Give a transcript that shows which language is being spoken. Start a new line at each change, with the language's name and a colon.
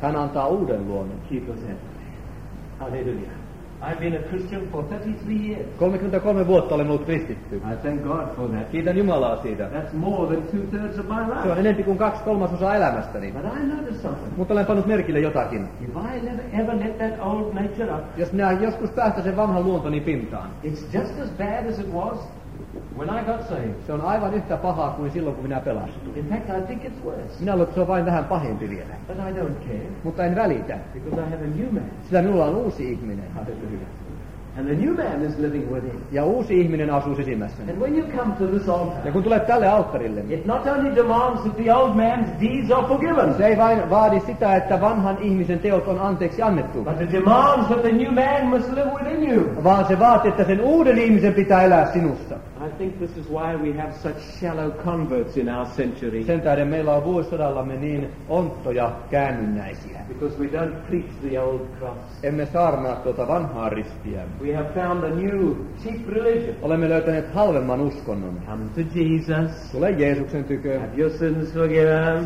Finnish: Hän antaa uuden luonnon. Kiitos
English: Hallelujah. I've been a Christian for 33 years.
Finnish: 33 vuotta olen ollut kristitty.
English: I thank God for that.
Finnish: Kiitän Jumalaa siitä.
English: That's more than 2/3 of my life.
Finnish: Se on enempi kuin 2/3 elämästäni.
English: But I noticed something.
Finnish: Mutta olen pannut merkille jotakin.
English: If I never ever let that old nature up.
Finnish: Jos minä joskus päästä sen vanhan luontoni pintaan.
English: It's just as bad as it was when I got saved.
Finnish: Se on aivan yhtä pahaa kuin silloin kun minä pelastuin.
English: In fact, I think it's worse.
Finnish: Minä luulen, se on vain vähän pahempi vielä.
English: But I don't care.
Finnish: Mutta en välitä.
English: Because I have a new man.
Finnish: Sillä minulla on uusi ihminen.
English: And the new man is living within.
Finnish: Ja uusi ihminen asuu sisimmässä.
English: And when you come to this altar.
Finnish: Ja kun tulet tälle alttarille.
English: It not only demands that the old man's deeds are forgiven.
Finnish: Se ei vain vaadi sitä, että vanhan ihmisen teot on anteeksi annettu.
English: But it demands that the new man must live within you.
Finnish: Vaan se vaatii, että sen uuden ihmisen pitää elää sinussa.
English: I think this is why we have such shallow converts in our century.
Finnish: Sen tähden meillä on vuosisadallamme niin onttoja käännynnäisiä.
English: Because we don't preach the old cross.
Finnish: Emme saarnaa tuota vanhaa ristiä.
English: We have found a new cheap religion.
Finnish: Olemme löytäneet halvemman uskonnon.
English: Come to Jesus.
Finnish: Tule Jeesuksen tykö.
English: Have your sins forgiven.